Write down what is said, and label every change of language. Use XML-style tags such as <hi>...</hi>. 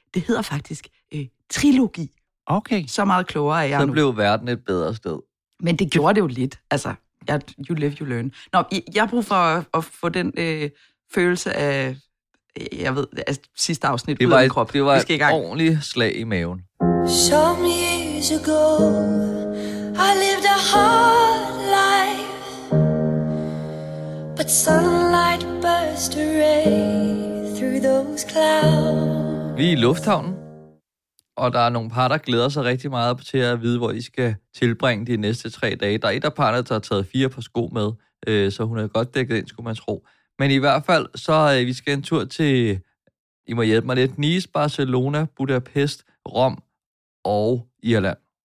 <da>Det hedder faktisk trilogi. Okay. Så meget klogere er jeg nu. Så blev verden et bedre sted. Men det gjorde det jo lidt, altså. You live, you learn. Nå, jeg har brug for at få den følelse af, jeg ved, af sidste afsnit ud af kroppen. Det var et ordentligt slag i maven.</da> <en>Some years ago, I lived a hard life. But sunlight burst a ray through those clouds.</en> <da>Vi er i lufthavnen, og der er nogle par, der glæder sig rigtig meget på til at vide, hvor I skal tilbringe de næste tre dage. Der er et af parrene, der har taget fire par sko med, så hun er godt dækket ind, skulle man tro. Men i hvert fald, så vi skal en tur til, I må hjælpe mig lidt, Nice, Barcelona, Budapest, Rom og Irland.</da>